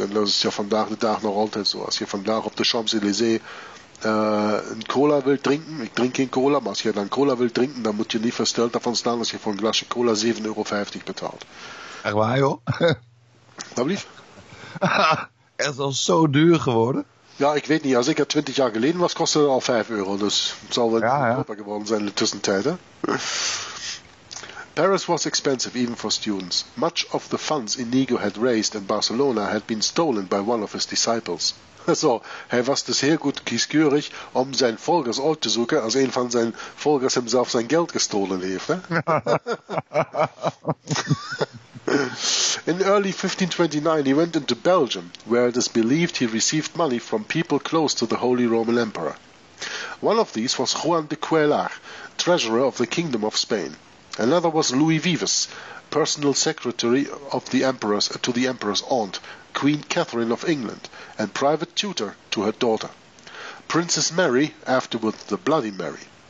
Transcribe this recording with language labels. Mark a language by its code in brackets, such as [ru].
[nl] En dat is ja vandaag de dag nog altijd zo. Als je vandaag op de Champs-Élysées een cola wilt drinken, ik drink geen cola, maar als je dan cola wilt drinken, dan moet je niet versteld davon staan dat je voor een glasje cola 7,50 euro betaalt. Echt waar, joh? Dat lief. Het is al zo duur geworden. Ja, ik weet niet. Als ik er 20 jaar geleden was, kostte het al 5 euro. Dus het zal wel goedkoper geworden zijn in de tussentijd. Hè? [en] Paris was expensive even for students. Much of the funds Inigo had raised in Barcelona had been stolen by one of his disciples. [nl] Also, hij was dus heel goed kieskeurig om zijn volgers uit te zoeken als een van zijn volgers hem zelf zijn geld gestolen heeft. Hè? [en] In early 1529 he went into Belgium, where it is believed he received money from people close to the Holy Roman Emperor. One of these was Juan de Cuellar, treasurer of the Kingdom of Spain. Another was Louis Vives, personal secretary of the emperor's to the emperor's aunt, Queen Catherine of England, and private tutor to her daughter, Princess Mary, afterward the Bloody Mary.